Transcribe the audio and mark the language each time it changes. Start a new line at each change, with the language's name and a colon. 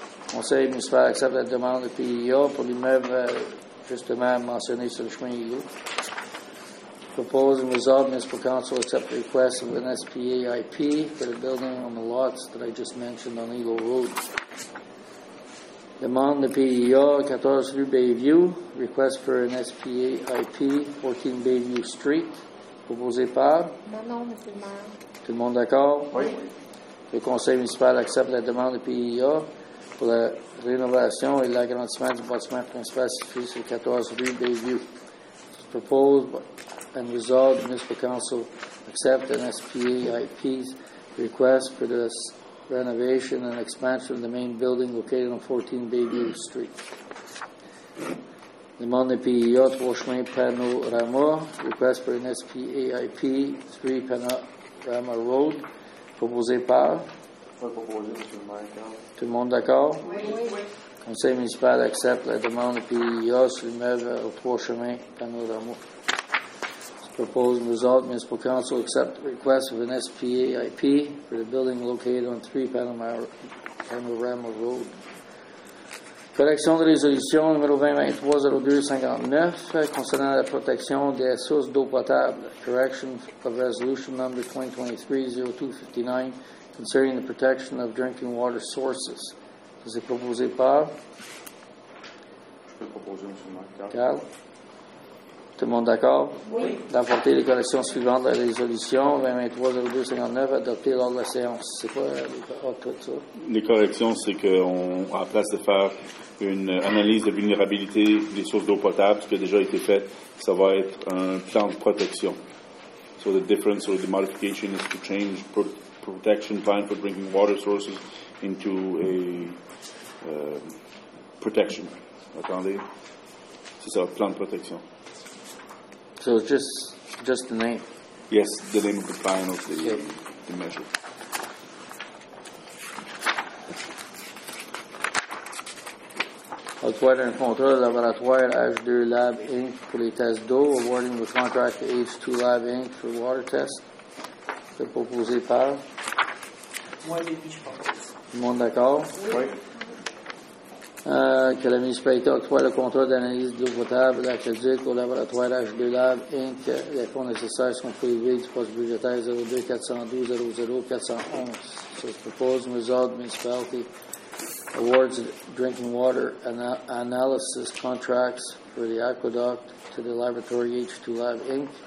French: Conseil municipal accepte la demande de PIA pour l'immeuble justement mentionné sur le chemin ILO.
English: Proposed and resolved, Municipal Council accept the request of an SPAIP for the building on the lots that I just mentioned on ILO Road.
French: Demande de PIA 14 rue Bayview,
English: request for an SPAIP 14 Bayview Street.
French: Proposé par? Non, Monsieur le maire. Tout le monde d'accord? Oui. Le conseil municipal accepte la demande du PIA pour la rénovation et l'agrandissement du bâtiment principal situé sur 14 rue Bayview.
English: It's proposed and resolved, the municipal council accept an SPAIP's request for the renovation and expansion of the main building located on 14 Bayview Street.
French: Demande du PIA 3 chemin Panorama,
English: request for an SPAIP 3 Panorama Road.
French: Proposé par? Oui, proposé, M. le maire. Tout le monde d'accord? Oui. Conseil municipal accepte la demande de PIA sur l'immeuble aux trois chemins Panorama.
English: Proposed result, Municipal Council accept the request of an SPAIP for the building located on 3 Panorama Road.
French: Correction de résolution numéro 2023-02-59 concernant la protection des sources d'eau potable.
English: Correction of resolution number 2023-02-59 concerning the protection of drinking water sources.
French: C'est proposé par? Je peux le proposer, M. Marc. Carl? Tout le monde d'accord? Oui. D'apporter les corrections suivantes à la résolution 2023-02-59, adoptée lors de la séance. C'est quoi tout ça? Les corrections, c'est qu'on, à place de faire une analyse de vulnérabilité des sources d'eau potable, ce qui a déjà été fait, ça va être un plan de protection.
English: So the difference or the modification is to change protection plan for drinking water sources into a protection.
French: Attendez. C'est ça, plan de protection.
English: So it's just the name? Yes, the name of the plan of the, okay. The measure.
French: Autoir d'un contrat laboratoire H2 Lab Inc. pour les tests d'eau,
English: awarding the contract to H2 Lab Inc. for water tests.
French: C'est proposé par? Moi, j'ai dit, je pense. Tout le monde d'accord? Oui. Que la municipalité octroie le contrat d'analyse d'eau potable, l'aqueduc au laboratoire H2 Lab Inc. Les fonds nécessaires sont prélevés du poste budgétaire 02-412-00-411. C'est proposé, resolved, municipality.
English: Awards drinking water analysis contracts for the aqueduct to the laboratory H2 Lab Inc.